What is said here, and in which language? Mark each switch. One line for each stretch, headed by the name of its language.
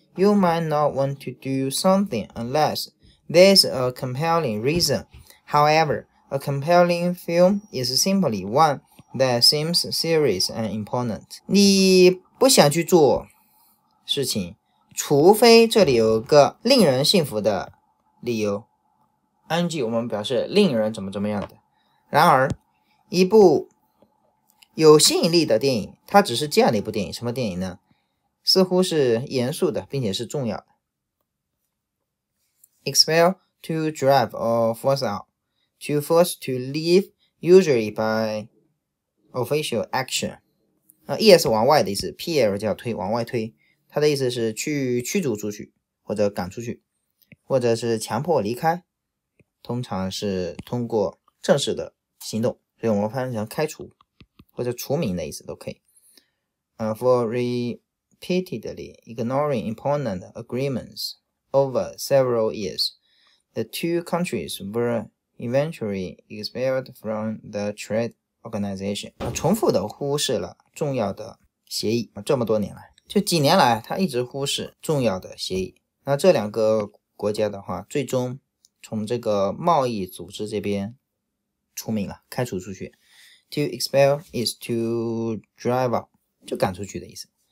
English: You might not want to do something unless there's a compelling reason. However, a compelling film is simply one that seems serious and important.
Chinese: 你不想去做事情，除非这里有个令人信服的理由。 ing 我们表示令人怎么怎么样的。然而，一部有吸引力的电影，它只是这样的一部电影，什么电影呢？似乎是严肃的，并且是重要的。
English: Expel to drive or force out, to force to leave, usually by official action.
Chinese: ES 往外的意思 ，PL 叫推，往外推，它的意思是去驱逐出去，或者赶出去，或者是强迫离开，通常是通过正式的行动，所以我们翻译成开除。或者除名的意思都可以。
English: For repeatedly ignoring important agreements over several years, the two countries were eventually expelled from the trade organization.
Chinese: 重复的忽视了重要的协议，这么多年来，就几年来，他一直忽视重要的协议。那这两个国家的话，最终从这个贸易组织这边除名了，开除出去。
English: To expel is to drive out,
Chinese: 就赶出去的意思。